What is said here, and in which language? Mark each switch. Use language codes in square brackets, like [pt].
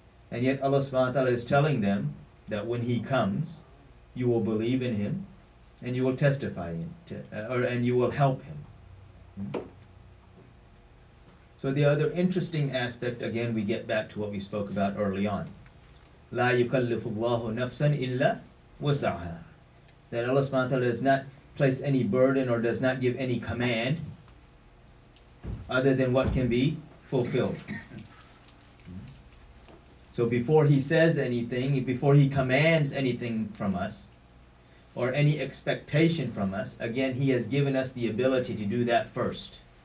[en] And yet Allah subhanahu wa ta'ala is telling them that when he comes, you will believe in him and you will testify in and you will help him. So the other interesting aspect, again, we get back to what we spoke about early on. [ar] لا يكلف الله نفسا إلا وسعها. [en] That Allah subhanahu wa ta'ala is not place any burden or does not give any command other than what can be fulfilled. So before he says anything, before he commands anything from us or any expectation from us, again, he has given us the ability to do that first.